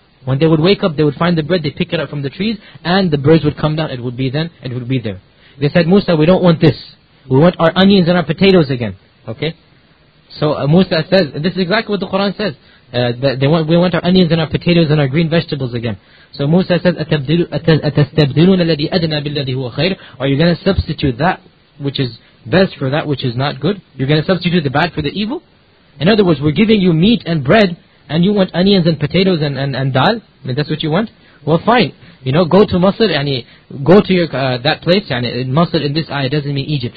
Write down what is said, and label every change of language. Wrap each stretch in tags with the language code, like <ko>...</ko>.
<en>When they would wake up, they would find the bread, they pick it up from the trees, and the birds would come down, it would be there. They said, Musa, we don't want this. We want our onions and our potatoes again. Okay? So Musa says, this is exactly what the Quran says. We want our onions and our potatoes and our green vegetables again. So Musa says,</en> <ar>أَتَسْتَبْدِلُونَ الَّذِي أَدْنَى بِالَّذِي هُوَ خَيْرٌ.</ar> <en>Are you going to substitute that which is best for that which is not good? You're going to substitute the bad for the evil? In other words, we're giving you meat and bread, and you want onions and potatoes and dal? That's what you want? Well, fine. You know, go to Masr, and go to your that place. And Masr in this ayah doesn't mean Egypt.</en>